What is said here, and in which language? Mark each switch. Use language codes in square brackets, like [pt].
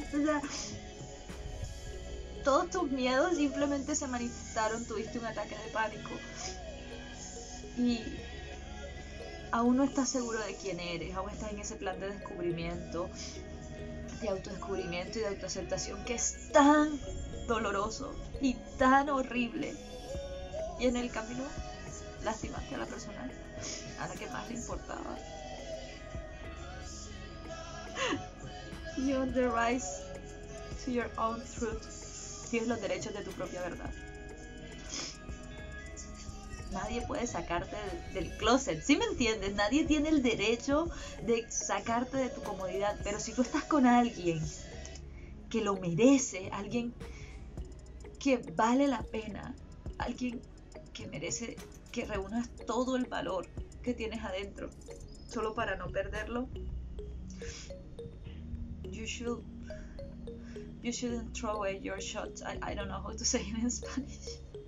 [es] O sea, todos tus miedos simplemente se manifestaron, tuviste un ataque de pánico y aún no estás seguro de quién eres, aún estás en ese plan de descubrimiento, de autodescubrimiento y de autoaceptación que es tan doloroso y tan horrible. Y en el camino lastimaste a la persona a la que más le importaba. [en] You have the right to your own truth. [es] Tienes los derechos de tu propia verdad. Nadie puede sacarte del closet, ¿sí me entiendes? Nadie tiene el derecho de sacarte de tu comodidad. Pero si tú estás con alguien que lo merece, alguien que vale la pena, alguien que merece que reúnas todo el valor que tienes adentro solo para no perderlo, [en] you shouldn't throw away your shots. I don't know how to say it in Spanish.